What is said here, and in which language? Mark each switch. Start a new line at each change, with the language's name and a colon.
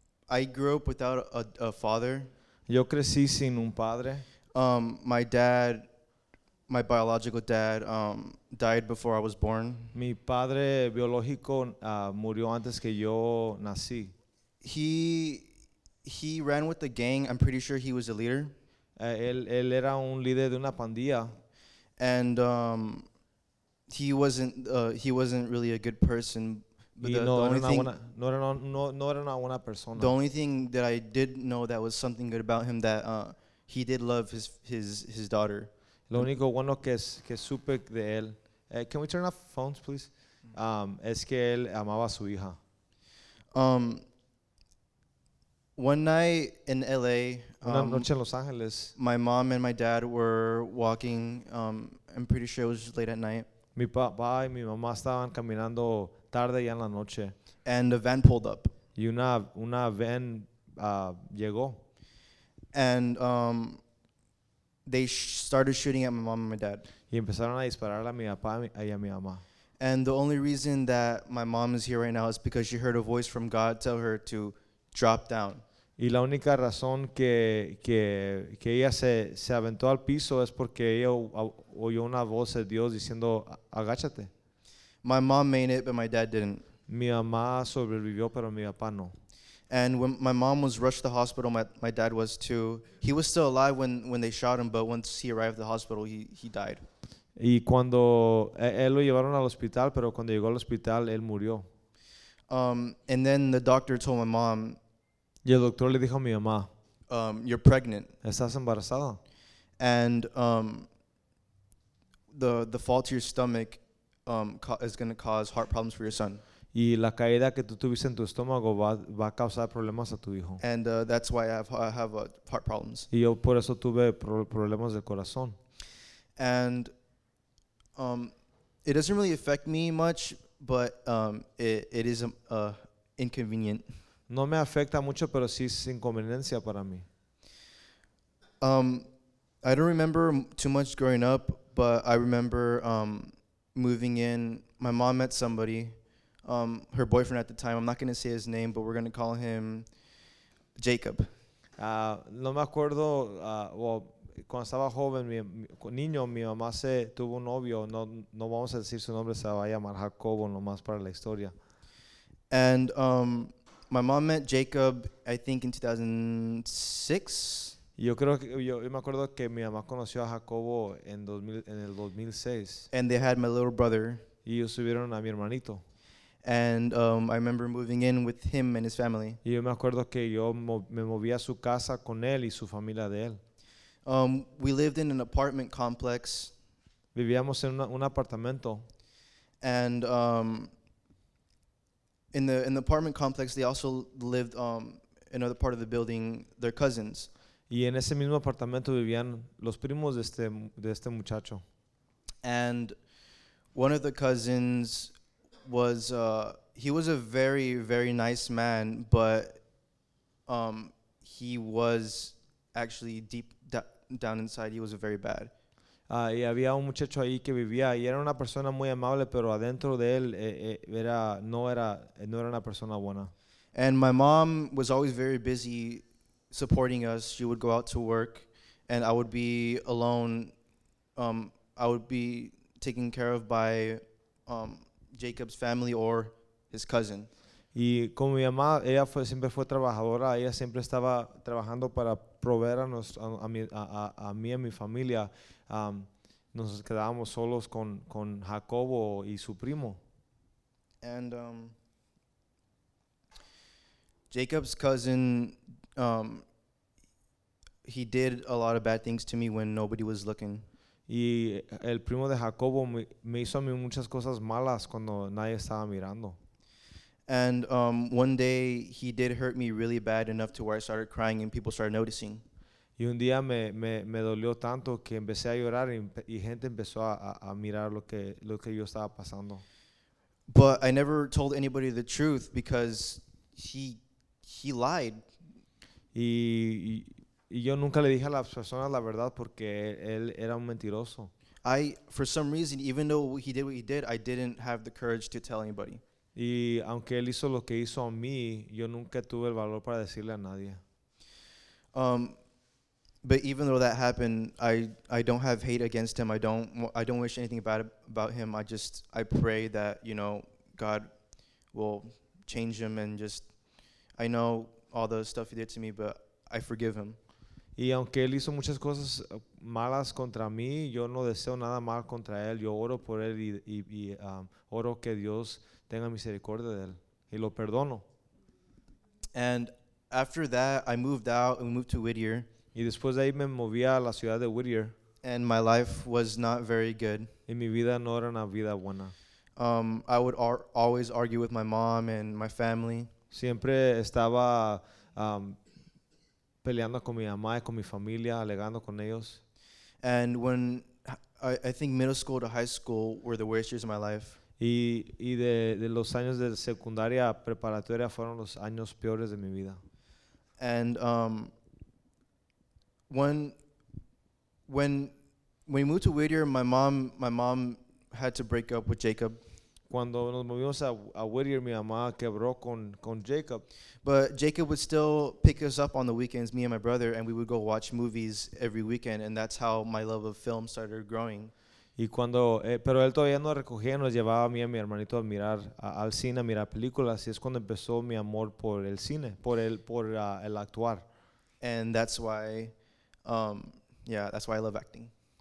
English: I grew up without a father.
Spanish: Yo crecí sin un padre.
English: My biological dad died before I was born.
Spanish: Mi padre biológico murió antes que yo nací.
English: He ran with the gang. I'm pretty sure he was a leader.
Spanish: Él era un líder de una pandilla.
English: And he wasn't really a good person.
Spanish: No era una buena persona.
English: The only thing that I did know that was something good about him that he did love his daughter.
Spanish: Lo único bueno que supe de él.
English: Can we turn off phones, please?
Spanish: Es que él amaba a su hija.
English: One night in LA,
Spanish: una noche en Los Ángeles,
English: my mom and my dad were walking. I'm pretty sure it was just late at night.
Spanish: Mi papá y mi mamá estaban caminando tarde ya en la noche.
English: And a van pulled up.
Spanish: Y una van llegó.
English: And they started shooting at my mom and my dad.
Spanish: Y empezaron a disparar a mi papá y a mi mamá.
English: And the only reason that my mom is here right now is because she heard a voice from God tell her to drop down.
Spanish: Y la única razón que ella se aventó al piso es porque ella oyó una voz de Dios diciendo, agáchate.
English: My mom made it, but my dad didn't.
Spanish: Mi mamá sobrevivió, pero mi papá no.
English: And when my mom was rushed to the hospital, my dad was too. He was still alive when they shot him, but once he arrived at the hospital, he died.
Spanish: Y cuando él lo llevaron al hospital, pero cuando llegó al hospital, él murió.
English: And then the doctor told my mom,
Spanish: y el doctor le dijo a mi mamá,
English: you're pregnant.
Spanish: Estás embarazada.
English: And the fall to your stomach is going to cause heart problems for your son.
Spanish: Y la caída que tú tuviste en tu estómago va a causar problemas a tu hijo.
English: And that's why I have heart problems.
Spanish: Y yo por eso tuve problemas del corazón.
English: And it doesn't really affect me much, but it is inconvenient.
Spanish: No me afecta mucho, pero sí es inconveniencia para mí.
English: I don't remember too much growing up, but I remember moving in. My mom met somebody, her boyfriend at the time. I'm not going to say his name, but we're going to call him Jacob.
Spanish: No me acuerdo, cuando estaba joven, niño, mi mamá se tuvo un novio. No vamos a decir su nombre, se va a llamar Jacobo, nomás para la historia.
English: And my mom met Jacob, I think, in 2006.
Spanish: Yo creo que yo me acuerdo que mi mamá conoció a Jacobo en el 2006.
English: And they had my little brother.
Spanish: Y ellos tuvieron a mi hermanito.
English: And I remember moving in with him and his family.
Spanish: Y yo me acuerdo que yo me moví a su casa con él y su familia de él.
English: We lived in an apartment complex.
Spanish: Vivíamos en un apartamento.
English: And In the apartment complex, they also lived in another part of the building, their cousins.
Spanish: Y en ese mismo apartamento vivían los primos de este muchacho.
English: And one of the cousins was he was a very, very nice man, but he was actually deep down inside, he was very bad.
Spanish: Y había un muchacho ahí que vivía y era una persona muy amable, pero adentro de él no era una persona buena.
English: And my mom was always very busy supporting us. She would go out to work and I would be alone. I would be taken care of by Jacob's family or his cousin.
Spanish: Y como mi mamá, ella fue, siempre fue trabajadora, ella siempre estaba trabajando para proveer a, nos, a mí y a mi familia. Nos quedábamos solos con Jacobo y su primo.
English: And Jacob's cousin, he did a lot of bad things to me when nobody was looking.
Spanish: Y el primo de Jacobo me hizo a mí muchas cosas malas cuando nadie estaba mirando.
English: And one day he did hurt me really bad enough to where I started crying and people started noticing.
Spanish: Y un día me dolió tanto que empecé a llorar y gente empezó a mirar lo que yo estaba pasando.
English: But I never told anybody the truth because he lied.
Spanish: Y yo nunca le dije a las personas la verdad porque él era un mentiroso.
English: I, for some reason, even though he did what he did, I didn't have the courage to tell anybody.
Spanish: Y aunque él hizo lo que hizo a mí, yo nunca tuve el valor para decirle a nadie.
English: But even though that happened, I don't have hate against him. I don't wish anything bad about him. I pray that, you know, God will change him and just, I know all the stuff he did to me, but I forgive him.
Spanish: Y aunque él hizo muchas cosas malas contra mí, yo no deseo nada mal contra él. Yo oro por él y oro que Dios tenga misericordia de él y lo perdono.
English: And after that, I moved out and moved to Whittier.
Spanish: Y después de ahí me moví a la ciudad de Whittier.
English: And my life was not very good.
Spanish: Y mi vida no era una vida buena.
English: I would always argue with my mom and my family.
Spanish: Siempre estaba peleando con mi mamá y con mi familia, alegando con ellos.
English: And when I think middle school to high school were the worst years of my life.
Spanish: Y de los años de secundaria preparatoria fueron los años peores de mi vida.
English: And when we moved to Whittier, my mom had to break up with Jacob.
Spanish: Cuando nos movimos a Whittier, mi mamá quebró con Jacob.
English: But Jacob would still pick us up on the weekends, me and my brother, and we would go watch movies every weekend, and that's how my love of film started growing.
Spanish: Y cuando, pero él todavía no recogía, nos llevaba a mí y a mi hermanito a mirar al cine, a mirar películas, y es cuando empezó mi amor por el cine, por el actuar.
English: And that's why, that's why I love acting.